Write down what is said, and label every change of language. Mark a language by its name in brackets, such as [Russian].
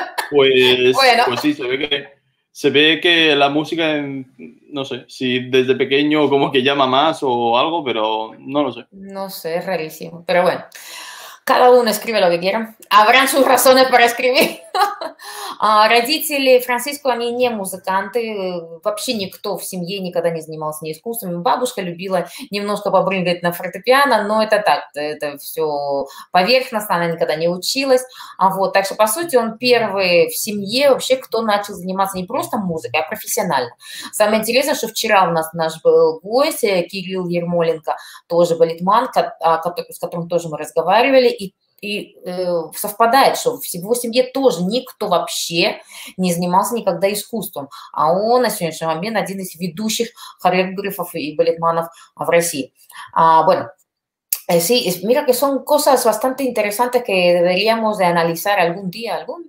[Spanish] Pues sí, se ve que la música, no sé, si desde pequeño como que llama más o algo, pero no lo sé. No sé, es rarísimo. Pero bueno, cada uno escribe lo que quiera. Habrán sus razones para escribir. [Russian] Родители Франциско, они не музыканты, вообще никто в семье никогда не занимался ни искусством. Бабушка любила немножко побрыгать на фортепиано, но это так, это все поверхностно, она никогда не училась. Вот, так что, по сути, он первый в семье вообще, кто начал заниматься не просто музыкой, а профессионально. Самое интересное, что вчера у нас наш был гость, Кирилл Ермоленко, тоже балетман, с которым тоже мы разговаривали, И совпадает, что в его семье тоже никто вообще не занимался никогда искусством. А он на сегодняшний момент один из ведущих хореографов и балетманов в России. [Spanish] Bueno, sí, mira que son cosas bastante interesantes que deberíamos de analizar algún día.